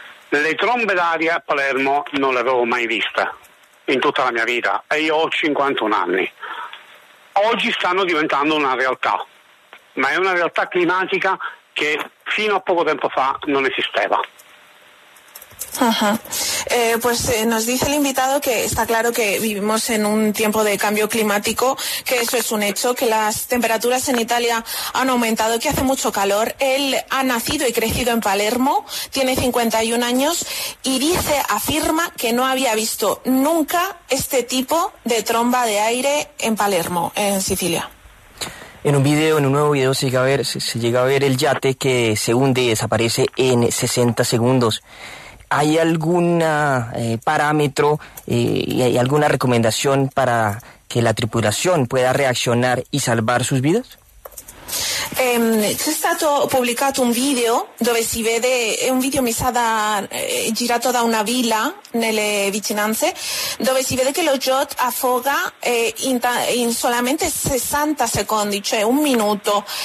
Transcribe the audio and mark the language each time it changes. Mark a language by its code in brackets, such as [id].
[it] Le trombe d'aria a Palermo non le avevo mai viste in tutta la mia vita e io ho 51 anni. Oggi stanno diventando una realtà. ma è una realtà climatica che fino a poco tempo fa non esisteva. Ajá. [es] Nos dice el invitado que está claro que vivimos en un tiempo de cambio climático, que eso es un hecho, que las temperaturas en Italia han aumentado, que hace mucho calor. Él ha nacido y crecido en Palermo, tiene 51 años y dice, afirma que no había visto nunca este tipo de tromba de aire en Palermo, en Sicilia. En un video, en un nuevo video, se llega a ver el yate que se hunde y desaparece en 60 segundos. ¿Hay algún parámetro y hay alguna recomendación para que la tripulación pueda reaccionar y salvar sus vidas? [it] C'è stato pubblicato un video dove si vede, è un video girato da una villa nelle vicinanze, dove si vede che lo yacht affoga in solamente 60 secondi, cioè un minuto.